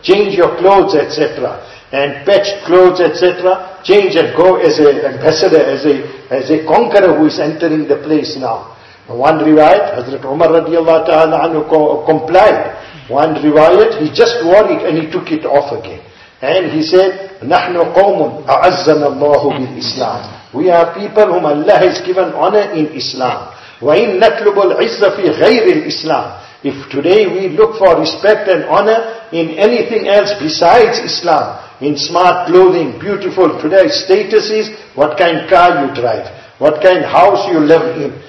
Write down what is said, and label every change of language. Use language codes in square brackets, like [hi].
[en] Change your clothes, etc. And patched clothes, etc. Change and go as an ambassador, as a conqueror who is entering the place now. One riwayat, Hazrat Umar radiallahu ta'ala anhu complied. One riwayat, he just wore it and he took it off again. And he said, [ar] نَحْنُ قَوْمٌ أَعَزَّنَ اللَّهُ بِالْإِسْلَامِ. [en] We are people whom Allah has given honor in Islam. [ar] وَإِن نَطْلُبُ الْعِزَّ فِي غَيْرِ الْإِسْلَامِ. [en] If today we look for respect and honor in anything else besides Islam, in smart clothing, beautiful, today's status is what kind car you drive, what kind house you live in.